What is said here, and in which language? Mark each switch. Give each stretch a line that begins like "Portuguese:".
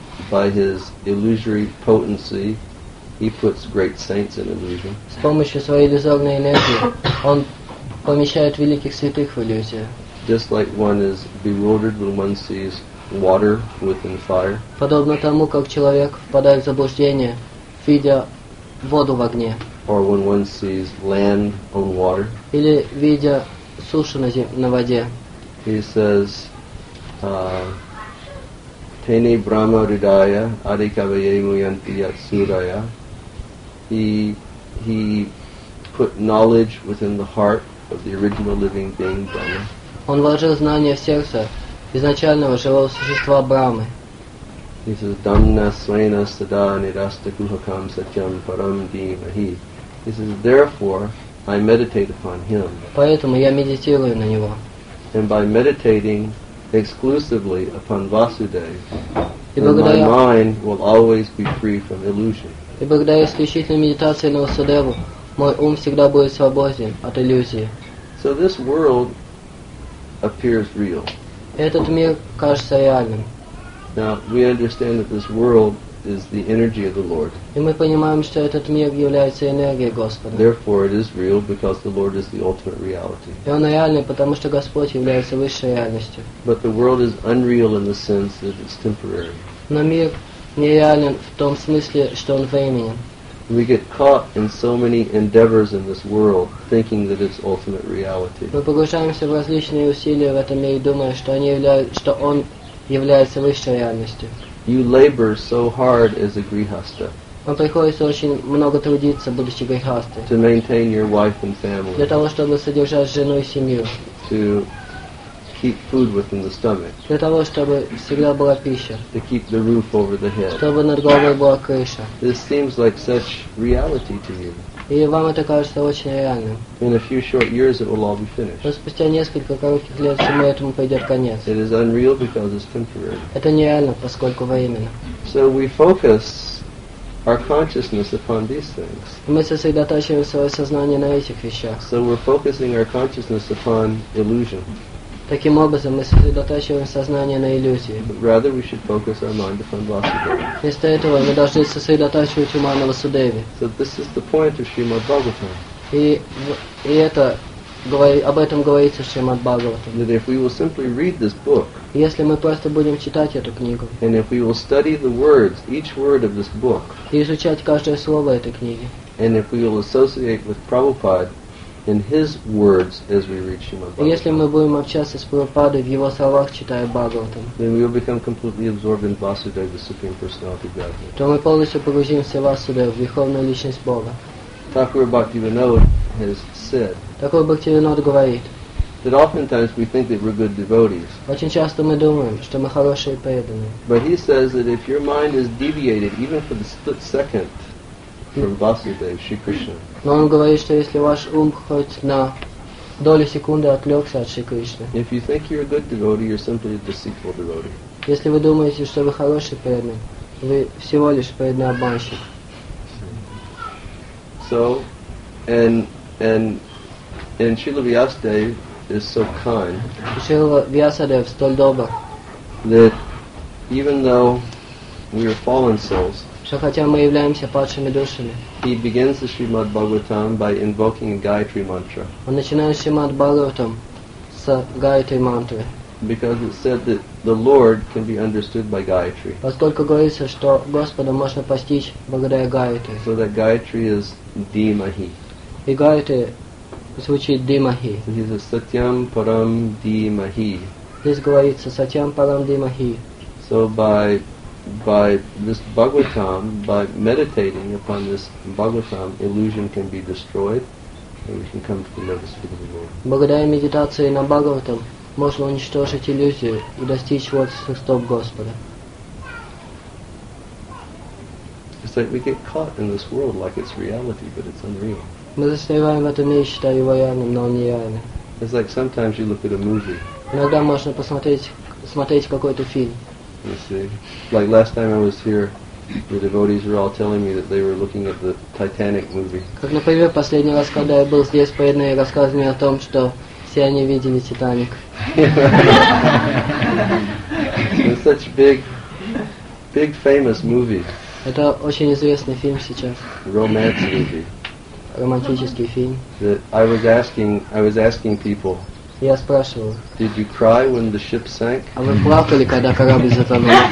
English: By his illusory potency, he puts great saints in illusion.
Russian: С помощью своей иллюзорной энергии он помещает великих святых в иллюзию.
English: Just like one is bewildered when one sees water within fire.
Russian: Подобно тому, как человек впадает в заблуждение, видя воду в огне.
English: Or when one sees land on water.
Russian: Или видя сушу на воде.
English: He says,
Sanskrit: Tene Brahma Ridaya Adikavaye Muyanti Yatsuraya.
English: He put knowledge within the heart of the original living being Brahma.
Russian: Он вложил знания в сердце изначального живого существа Брахмы.
English: He says,
Sanskrit: Dhamna Swena Sada Nirasta Guhakam Satyam Param Dhimahi.
English: He says, therefore, I meditate upon him.
Russian: Поэтому я медитирую на него.
English: And by meditating exclusively upon Vasudeva, my mind will always be free from illusion.
Russian: И благодаря исключительной медитации на Васудеву, мой ум всегда будет свободен от иллюзии.
English: So this world appears real.
Russian: Этот мир кажется реальным.
English: Now, we understand that this world is the energy of the Lord.
Russian: И мы понимаем, что этот мир является энергией Господа.
English: Therefore, it is real because the Lord is the ultimate reality.
Russian: И он реальный, потому что Господь является высшей реальностью.
English: But the world is unreal in the sense that it's temporary.
Russian: Но мир нереален в том смысле, что он временен.
English: We get caught in so many endeavors in this world, thinking that it's ultimate reality.
Russian: Мы погружаемся в различные усилия в этом мире, думая, что они являются, что он является высшей реальностью.
English: You labor so hard as a grihastha.
Russian: Вам приходится очень много трудиться, будучи грихастой.
English: To maintain your wife and family.
Russian: Для того, чтобы содержать жену и семью.
English: To keep food within the stomach.
Russian: Для того, чтобы всегда была пища.
English: To keep the roof over the head.
Russian: Чтобы над головой была крыша.
English: This seems like such reality to you.
Russian: И вам это кажется очень реальным.
English: In a few short years it will all be finished.
Russian: Но спустя несколько коротких лет всему этому пойдет конец.
English: It is unreal because it's temporary.
Russian: Это нереально, поскольку временно.
English: So we focus our consciousness upon these things.
Russian: Мы сосредотачиваем свое сознание на этих вещах.
English: So we're focusing our consciousness upon illusion.
Russian: Таким образом, мы сосредотачиваем сознание на иллюзии.
English: Rather, we should focus our mind upon Vasudeva.
Russian: Вместо этого мы должны сосредотачивать ума на Васудеве.
English: So this is the point of Srimad Bhagavatam.
Russian: И это об этом говорится в Шримад Бхагаватам.
English: That if we will simply read this book.
Russian: Если мы просто будем читать эту книгу.
English: And if we will study the words, each word of this book.
Russian: И изучать каждое слово этой книги.
English: And if we will associate with Prabhupada in his words as we read Srimad Bhagavatam.
Russian: Если мы будем общаться с Прабхупадой в его словах, читая Бхагаватам.
English: Then we will become completely absorbed in Vasudeva, the Supreme Personality of Godhead.
Russian: То мы полностью погрузимся в Васудеву, в Верховную Личность Бога.
English: Thakur Bhaktivinoda has said.
Russian: Такой Бхактивинода говорит.
English: That oftentimes we think that we're good devotees.
Russian: Очень часто мы думаем, что мы хорошие преданные.
English: But he says that if your mind is deviated even for the split second from Vasudeva, Shri Krishna.
Russian: Но он говорит, что если ваш ум хоть на долю секунды отвлекся от Шри Кришны.
English: If you think you're a good devotee, you're simply a deceitful devotee.
Russian: Если вы думаете, что вы хороший преданный, вы всего лишь преданный обманщик.
English: So, and Srila Vyasadeva is so kind.
Russian: Srila Vyasadeva столь добр.
English: That even though we are fallen souls.
Russian: Что хотя мы являемся падшими душами.
English: He begins the Srimad Bhagavatam by invoking a Gayatri mantra.
Russian: Он начинает Srimad Bhagavatam с Gayatri mantra.
English: Because it said that the Lord can be understood by Gayatri.
Russian: Поскольку говорится, что Господа можно постичь благодаря Гайатри.
English: So that Gayatri is Dhimahi.
Russian: И Гайатри звучит Dhimahi.
English: So he says
Sanskrit: Satyam Param Dhimahi.
Russian: Здесь говорится
Sanskrit: Satyam Param Dhimahi.
English: So by this Bhagavatam, by meditating upon this Bhagavatam, illusion can be destroyed and we can come to the lotus feet of the Lord.
Russian: Благодаря медитации на Бхагаватам можно уничтожить иллюзию и достичь вот стоп Господа.
English: It's like we get caught in this world like it's reality, but it's unreal.
Russian: Мы застреваем в этом мире, считая его реальным, но он не реальный.
English: It's like sometimes you look at a movie.
Russian: Иногда можно посмотреть какой-то фильм.
English: You see, like last time I was here, the devotees were all telling me that they were looking at the Titanic movie.
Russian: Как, например, последний раз, когда я был здесь, поедные рассказывали о том, что все они видели Титаник.
English: It's such big, big famous movie.
Russian: Это очень известный фильм сейчас.
English: Romance movie.
Russian: Романтический фильм.
English: That I was asking people.
Russian: Я спрашивал.
English: Did you cry when the ship sank?
Russian: А вы плакали, когда корабль затонул?